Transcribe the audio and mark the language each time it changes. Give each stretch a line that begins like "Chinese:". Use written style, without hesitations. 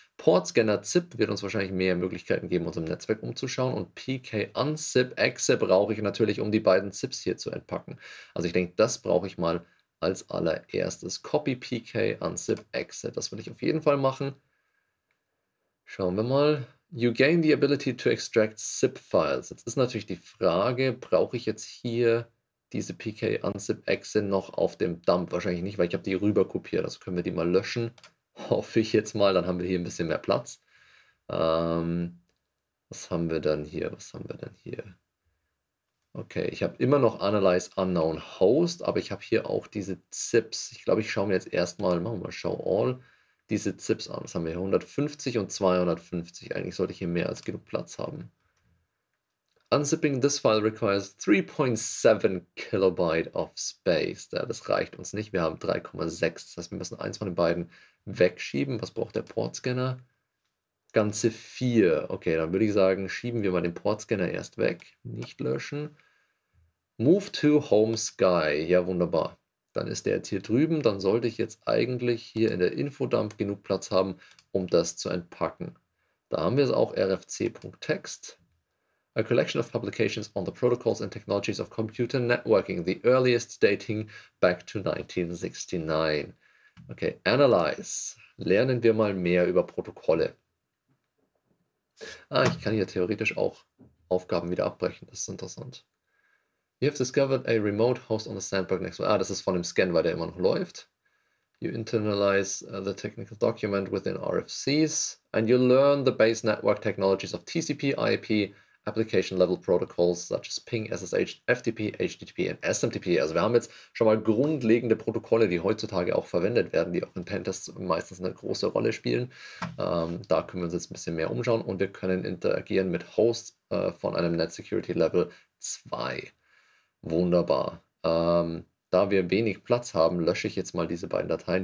German: Portscanner ZIP wird uns wahrscheinlich mehr Möglichkeiten geben, uns im Netzwerk umzuschauen. Und PK-Unzip, Exip brauche ich natürlich, um die beiden ZIPs hier zu entpacken. Also ich denke, das brauche ich mal als allererstes. Copy PK, Unzip, Exip. Das will ich auf jeden Fall machen. Schauen wir mal.
English: You gain the ability to extract zip files.
German: Jetzt ist natürlich die Frage, brauche ich jetzt hier diese PK-Unzip-Exe noch auf dem Dump? Wahrscheinlich nicht, weil ich habe die rüber kopiert. Also können wir die mal löschen. Hoffe ich jetzt mal. Dann haben wir hier ein bisschen mehr Platz. Was haben wir denn hier? Okay, ich habe immer noch Analyze Unknown Host, aber ich habe hier auch diese Zips. Ich glaube, ich schaue mir jetzt erstmal, machen wir mal Show All. Diese ZIPs an. Das haben wir hier 150 und 250. Eigentlich sollte ich hier mehr als genug Platz haben.
English: Unzipping this file requires 3.7 kilobyte of space.
German: Ja, das reicht uns nicht. Wir haben 3,6. Das heißt, wir müssen eins von den beiden wegschieben. Was braucht der Portscanner? Ganze 4. Okay, dann würde ich sagen, schieben wir mal den Portscanner erst weg. Nicht löschen. Move to Home Sky. Ja, wunderbar. Dann ist der jetzt hier drüben. Dann sollte ich jetzt eigentlich hier in der Infodump genug Platz haben, um das zu entpacken. Da haben wir es auch, rfc.txt.
English: A collection of publications on the protocols and technologies of computer networking, the earliest dating back to 1969. Okay, analyze.
German: Lernen wir mal mehr über Protokolle. Ah, ich kann hier theoretisch auch Aufgaben wieder abbrechen. Das ist interessant.
English: You have discovered a remote host on the sandbox next one.
German: Ah, das ist von dem Scan, weil der immer noch läuft.
English: You internalize the technical document within RFCs. And you learn the base network technologies of TCP, IP, application level protocols such as Ping, SSH, FTP, HTTP and SMTP.
German: Also wir haben jetzt schon mal grundlegende Protokolle, die heutzutage auch verwendet werden, die auch in Pentests meistens eine große Rolle spielen. Da können wir uns jetzt ein bisschen mehr umschauen und wir können interagieren mit Hosts von einem Net Security Level 2. Wunderbar. Da wir wenig Platz haben, lösche ich jetzt mal diese beiden Dateien.